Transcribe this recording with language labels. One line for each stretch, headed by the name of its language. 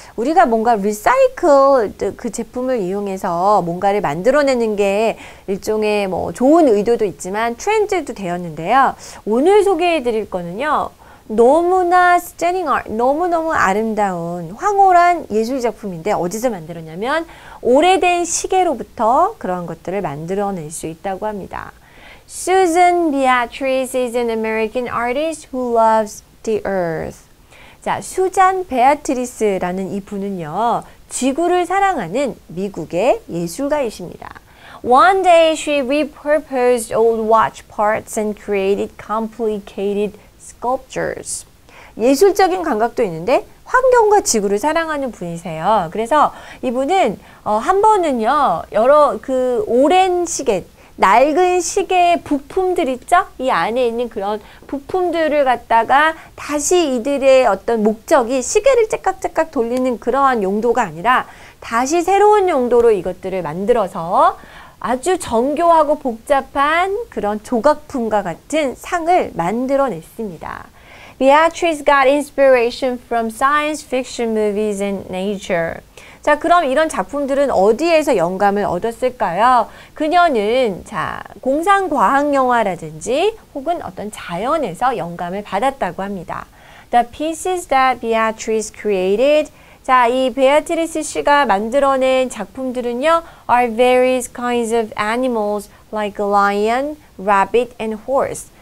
Korean: 우리가 뭔가 recycled 그 제품을 이용해서 뭔가를 만들어내는 게 일종의 뭐 좋은 의도도 있지만 트렌드도 되었는데요. 오늘 소개해드릴 거는요. 너무나
English: stunning art,
Korean: 너무너무 아름다운 황홀한 예술 작품인데 어디서 만들었냐면 오래된 시계로부터 그런 것들을 만들어낼 수 있다고 합니다.
English: Susan Beatrice is an American artist who loves the earth.
Korean: 자, 수잔 베아트리스라는 이분은요, 지구를 사랑하는 미국의 예술가이십니다.
English: One day she repurposed old watch parts and created complicated sculptures.
Korean: 예술적인 감각도 있는데 환경과 지구를 사랑하는 분이세요. 그래서 이분은 한 번은요, 여러 그 오랜 시계, 낡은 시계의 부품들 있죠? 이 안에 있는 그런 부품들을 갖다가 다시 이들의 어떤 목적이 시계를 째깍째깍 돌리는 그러한 용도가 아니라 다시 새로운 용도로 이것들을 만들어서 아주 정교하고 복잡한 그런 조각품과 같은 상을 만들어냈습니다.
English: Beatrice got inspiration from science fiction movies and nature.
Korean: 자, 그럼 이런 작품들은 어디에서 영감을 얻었을까요? 그녀는 자 공상과학 영화라든지 혹은 어떤 자연에서 영감을 받았다고 합니다.
English: The pieces that Beatrice created.
Korean: 자, 이 베아트리스 씨가 만들어낸 작품들은요,
English: are various kinds of animals like lion, rabbit, and horse.